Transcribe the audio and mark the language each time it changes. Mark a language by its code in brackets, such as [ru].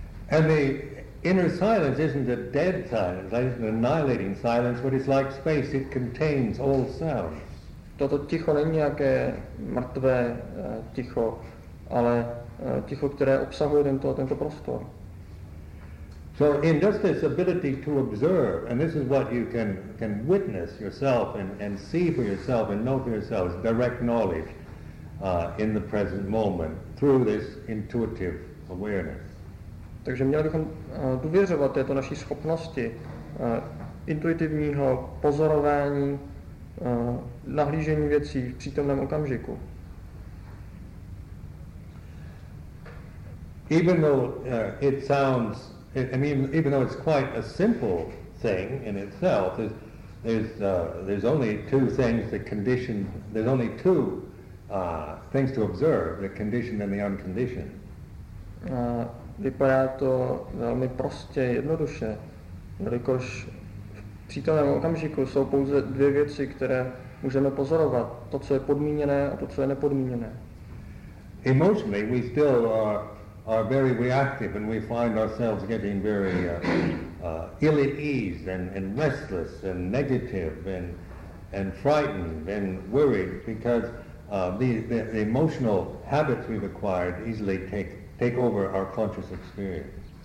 [en] And the inner silence isn't a dead silence, that isn't an annihilating silence, but it's like space, it contains all sounds. [cs] Toto ticho není nějaké mrtvé ticho, ale ticho, které obsahuje tento prostor. [en] So in just this ability to observe, and this is what you can witness yourself and see for yourself and know for yourself, direct knowledge in the present moment through this intuitive awareness. [cs] Takže měli bychom důvěřovat této naší schopnosti intuitivního pozorování, nahlížení věcí v přítomném okamžiku. [en] Even though it sounds, even though it's quite a simple thing in itself, there's only two things that condition, there's only two things to observe, the conditioned and the unconditioned. [cs] Vypadá to velmi prostě, jednoduše, jelikož v přítomném okamžiku jsou pouze dvě věci, které můžeme pozorovat, to, co je podmíněné a to, co je nepodmíněné. [en] Emotionally we still are very reactive and we find ourselves getting very ill at ease and restless and negative and frightened and worried because the emotional habits we've acquired easily take over our conscious experience.